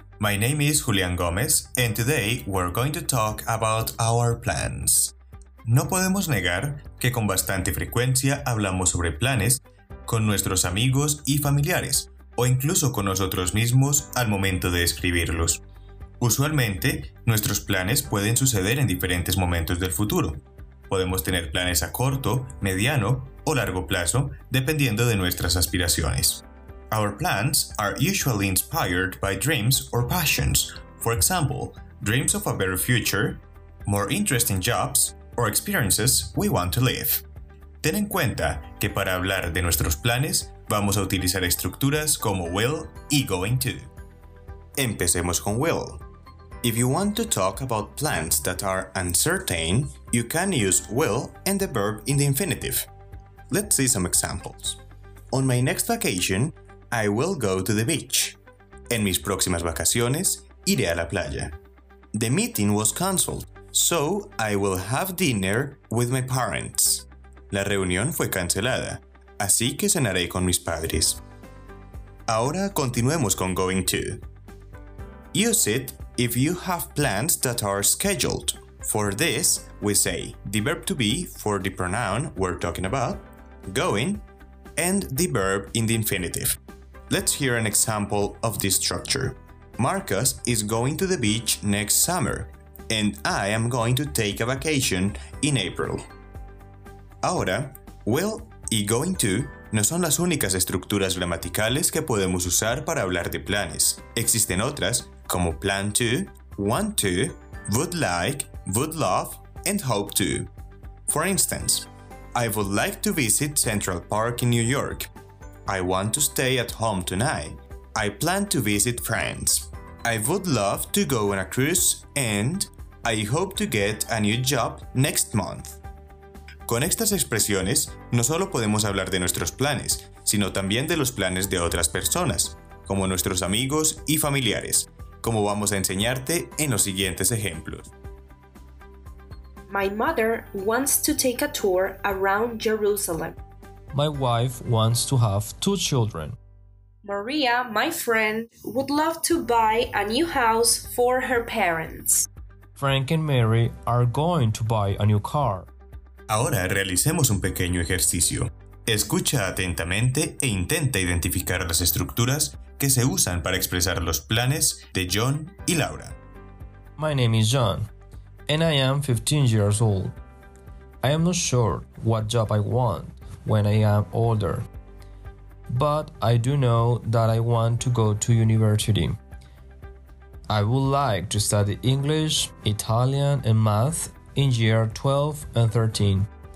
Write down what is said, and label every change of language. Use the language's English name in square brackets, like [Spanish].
[English] My name is Julián Gómez and today we're going to talk about our plans. [Spanish] No podemos negar que con bastante frecuencia hablamos sobre planes con nuestros amigos y familiares, o incluso con nosotros mismos al momento de escribirlos. Usualmente, nuestros planes pueden suceder en diferentes momentos del futuro. Podemos tener planes a corto, mediano o largo plazo, dependiendo de nuestras aspiraciones. [English] Our plans are usually inspired by dreams or passions. For example, dreams of a better future, more interesting jobs, or experiences we want to live. [Spanish] Ten en cuenta que para hablar de nuestros planes vamos a utilizar estructuras como [English] will y going to. [Spanish] Empecemos con will. [English] If you want to talk about plans that are uncertain, you can use will and the verb in the infinitive. Let's see some examples. On my next vacation, I will go to the beach. [Spanish] En mis próximas vacaciones, iré a la playa. [English] The meeting was canceled, so I will have dinner with my parents. [Spanish] La reunión fue cancelada, así que cenaré con mis padres. Ahora continuemos con going to. [English] Use it if you have plans that are scheduled. For this, we say the verb to be for the pronoun we're talking about, going, and the verb in the infinitive. Let's hear an example of this structure. Marcus is going to the beach next summer, and I am going to take a vacation in April. [Spanish] Ahora, [English] will y going to [Spanish] no son las únicas estructuras gramaticales que podemos usar para hablar de planes. Existen otras como [English] plan to, want to, would like, would love, and hope to. For instance, I would like to visit Central Park in New York. I want to stay at home tonight. I plan to visit friends. I would love to go on a cruise and I hope to get a new job next month. [Spanish] Con estas expresiones, no solo podemos hablar de nuestros planes, sino también de los planes de otras personas, como nuestros amigos y familiares, como vamos a enseñarte en los siguientes ejemplos. [English] My mother wants to take a tour around Jerusalem. My wife wants to have two children. Maria, my friend, would love to buy a new house for her parents. Frank and Mary are going to buy a new car. [Spanish] Ahora realicemos un pequeño ejercicio. Escucha atentamente e intenta identificar las estructuras que se usan para expresar los planes de John y Laura. [English] My name is John, and I am 15 years old. I am not sure what job I want when I am older, but I do know that I want to go to university. I would like to study English, Italian, and math in year 12 and 13.